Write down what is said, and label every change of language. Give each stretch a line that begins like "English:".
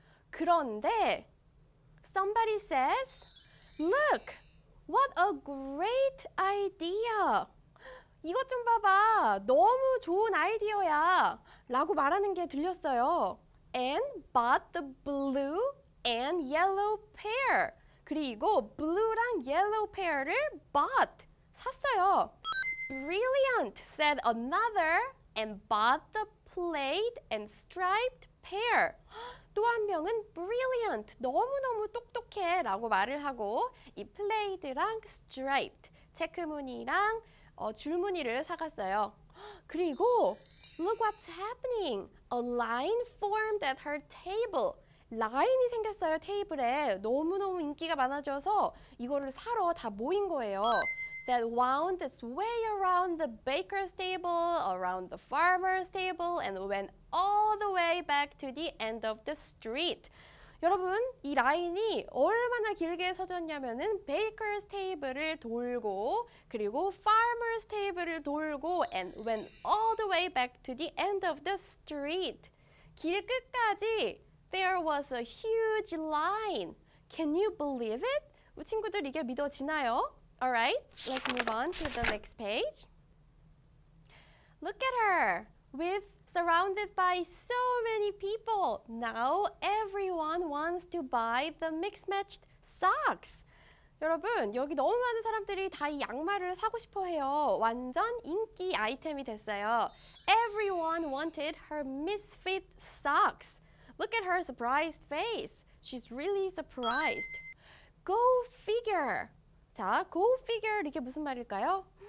Korean: 그런데
English: somebody says, look, what a great idea.
Korean: 이것 좀 봐봐, 너무 좋은 아이디어야 라고 말하는 게 들렸어요.
English: And bought the blue and yellow pair.
Korean: 그리고 blue랑 yellow pair를 bought, 샀어요.
English: Brilliant, said another and bought the plaid and striped pair.
Korean: 또 한 명은 brilliant, 너무너무 똑똑해 라고 말을 하고 이 plaid랑 striped, 체크무늬랑 줄무늬를 사갔어요. 그리고
English: look what's happening. A line formed at her table.
Korean: 라인이 생겼어요, 테이블에. 너무너무 인기가 많아져서 이거를 사러 다 모인 거예요.
English: That wound its way around the baker's table, around the farmer's table, and went all the way back to the end of the street.
Korean: 여러분, 이 라인이 얼마나 길게 서졌냐면은 baker's table을 돌고 그리고 farmer's table을 돌고
English: and went all the way back to the end of the street.
Korean: 길 끝까지
English: there was a huge line. Can you believe it?
Korean: 우리 친구들 이게 믿어지나요?
English: Alright, let's move on to the next page. Look at her. We've surrounded by so many people. Now everyone wants to buy the mix-matched socks.
Korean: 여러분, 여기 너무 많은 사람들이 다 이 양말을 사고 싶어 해요. 완전 인기 아이템이 됐어요.
English: Everyone wanted her misfit socks. Look at her surprised face. She's really surprised. Go figure.
Korean: 자, go figure 이게 무슨 말일까요?